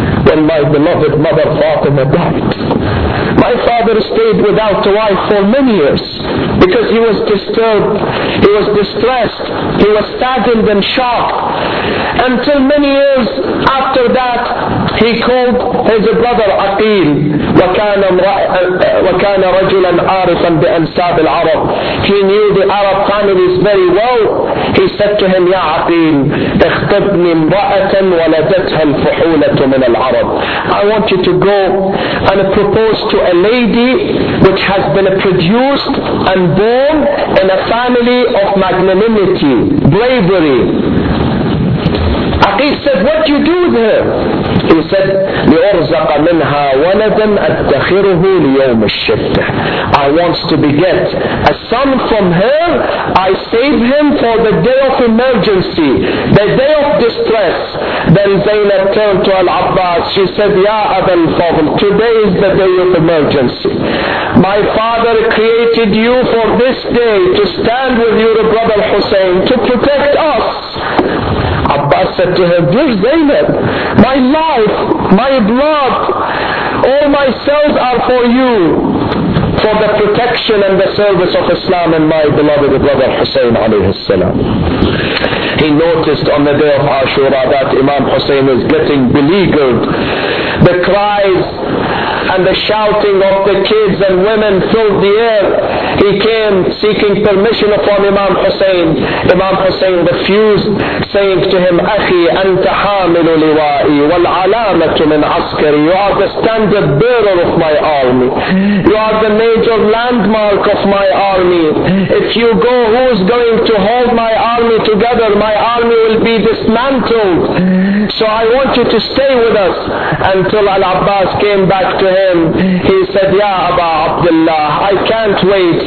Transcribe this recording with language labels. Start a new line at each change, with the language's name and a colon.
English: When my beloved mother Fatima died, my father stayed without a wife for many years because he was disturbed, he was distressed, he was saddened and shocked. Until many years after that, he called his brother Aqil,
Arabic: وَكَانَ رَجُلًا عَارِفًا بِأَنْسَابِ الْعَرَبِ.
English: He knew the Arab families very well. He said to him,
Arabic: يَا عَقِيل, اخْتَبْنِ امْرَأَةً وَلَدَتْهَا الْفُحُولَةُ مِنَ الْعَرَبِ.
English: I want you to go and propose to a lady which has been produced and born in a family of magnanimity, bravery. Aqil said, what do you do with her? He said,
Arabic: لِأُرْزَقَ مِنْهَا وَلَدًا أَتَّخِرُهُ لِيَوْمِ الشِّدَّةِ.
English: I want to beget a son from her. I save him for the day of emergency, the day of distress. Then Zainab turned to Al-Abbas. She said,
Arabic: يَا أَبَا الْفَضْلِ,
English: today is the day of emergency. My father created you for this day to stand with your brother Hussein to protect us. Abbas said to him, dear Zainab, my life, my blood, all my cells are for you, for the protection and the service of Islam and my beloved brother Hussein alayhi salam. He noticed on the day of Ashura that Imam Hussein is getting beleaguered. The cries and the shouting of the kids and women filled the air. He came seeking permission from Imam Hussein. Imam Hussein refused, saying to him,
Arabic: أخي أنت حامل لوائي والعلامة من عسكري.
English: You are the standard bearer of my army. You are the major landmark of my army. If you go, who is going to hold my army together? My army will be dismantled. So I want you to stay with us. Until Al-Abbas came back to him, he said, Ya Aba Abdullah, I can't wait.